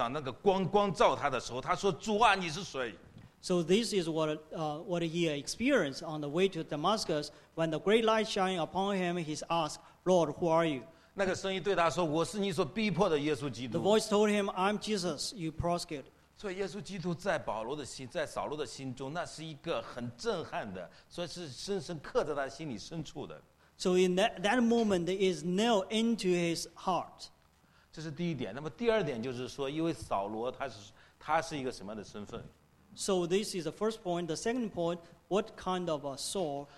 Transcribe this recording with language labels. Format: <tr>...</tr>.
<zh>就是他在大马士革的路上，那个光照他的时候，他说：“主啊，你是谁？”</zh> <en>So this is what he experienced on the way to Damascus when the great light shining upon him. He asked, "Lord, who are you?"</en> <zh>那个声音对他说：“我是你所逼迫的耶稣基督。”</zh> <en>The voice told him, "I'm Jesus. You persecuted."</en> <zh>所以耶稣基督在保罗的心，在扫罗的心中，那是一个很震撼的，所以是深深刻在他心里深处的。</zh> <en>So in that moment, it is nailed into his heart.</en> <zh>这是第一点。那么第二点就是说，因为扫罗他是一个什么样的身份？</zh> <en>So this is the first point. The second point, what kind of a soul?</en>